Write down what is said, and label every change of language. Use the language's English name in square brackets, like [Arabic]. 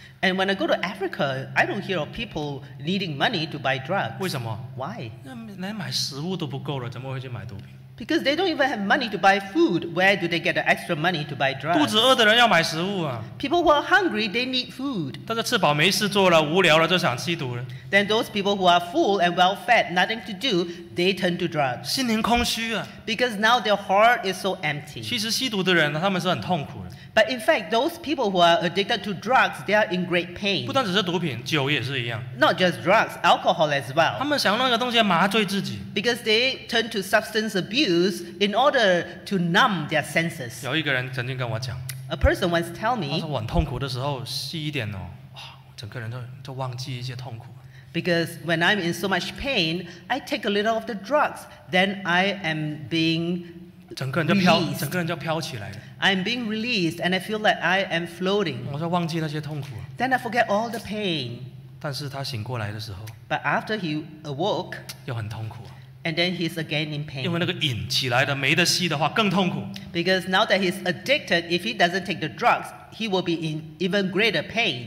[English] And when I go to Africa, I don't hear of people needing money to buy drugs. [Chinese] 为什么? [English] Why? [Chinese] 连买食物都不够了,怎么会去买毒品? [English] Because they don't even have money to buy food. Where do they get the extra money to buy drugs? [Chinese] 肚子饿的人要买食物啊。 [English] People who are hungry, they need food. [Chinese] 但是吃饱没事做了,无聊了,就想吸毒了。 [English] Then those people who are full and well-fed, nothing to do, they turn to drugs. [Chinese] 心灵空虚啊。 [English] Because now their heart is so empty. [Chinese] 其实吸毒的人,他们是很痛苦的。 [English] But in fact, those people who are addicted to drugs, they are in great pain. [Chinese] 不单只是毒品, 酒也是一样。 [English] Not just drugs, alcohol as well. [Chinese] 他们想用那个东西麻醉自己。 [English] Because they turn to substance abuse in order to numb their senses. [Chinese] 有一个人曾经跟我讲, [English] a person once tell me, [Chinese] 他说我很痛苦的时候,吸一点哦, 哇, 整个人都忘记一些痛苦。 [English] Because when I'm in so much pain, I take a little of the drugs, then I am being [Chinese] 整个人就飘起来了。 [English] I'm being released and I feel like I am floating. [Chinese] 我说忘记那些痛苦。 [English] Then I forget all the pain. [Chinese] 但是他醒过来的时候, [English] but after he awoke, [Chinese] 又很痛苦。 [English] And then he's again in pain. [Chinese] 因为那个瘾起来的,没得吸的话,更痛苦。 [English] Because now that he's addicted, if he doesn't take the drugs, he will be in even greater pain.